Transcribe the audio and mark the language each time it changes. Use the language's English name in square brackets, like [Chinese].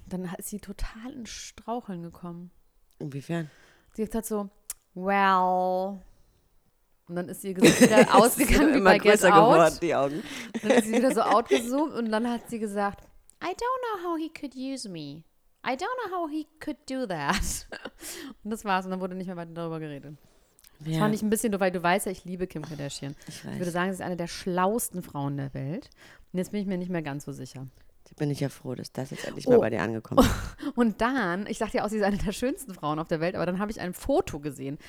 [German] Dann ist sie total in Straucheln gekommen. Inwiefern? Sie hat so, well... Und dann ist ihr Gesicht wieder ausgegangen, wie bei Get Out. Immer größer geworden, die Augen. Und dann ist sie wieder so outgezoomt und dann hat sie gesagt, [English] I don't know how he could use me. I don't know how he could do that. [German] Und das war's. Und dann wurde nicht mehr weiter darüber geredet. Ja. Das fand ich ein bisschen, weil du weißt ja, ich liebe Kim Kardashian. Ich würde sagen, sie ist eine der schlauesten Frauen der Welt. Und jetzt bin ich mir nicht mehr ganz so sicher. Da bin ich ja froh, dass das jetzt endlich mal bei dir angekommen ist. Und dann, ich sagte ja auch, sie ist eine der schönsten Frauen auf der Welt, aber dann habe ich ein Foto gesehen.